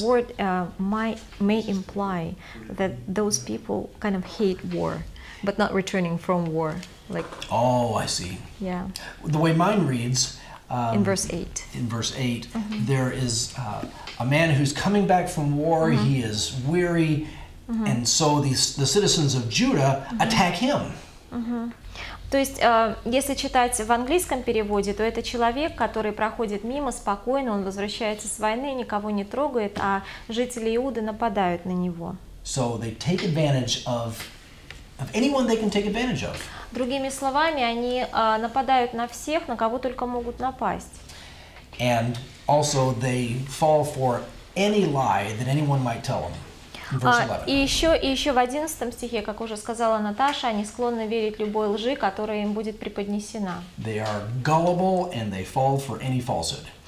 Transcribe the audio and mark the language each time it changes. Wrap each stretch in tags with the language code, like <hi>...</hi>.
<en>The word may imply that those people kind of hate war, but not returning from war. Like. Oh, I see. Yeah. The way mine reads, In verse 8, mm-hmm. there is a man who's coming back from war, mm-hmm. he is weary, mm-hmm. and so the citizens of Judah mm-hmm. attack him.</en> <ru>То есть, если читать в английском переводе, то это человек, который проходит мимо спокойно, он возвращается с войны, никого не трогает, а жители Иуды нападают на него.</ru> <en>So they take advantage of anyone they can take advantage of.</en> <ru>Другими словами, они нападают на всех, на кого только могут напасть.</ru> <en>And also they fall for any lie that anyone might tell them.</en> <ru>И еще в 11 стихе, как уже сказала Наташа, они склонны верить любой лжи, которая им будет преподнесена.</ru> <en>They are gullible and they fall for any falsehood.</en>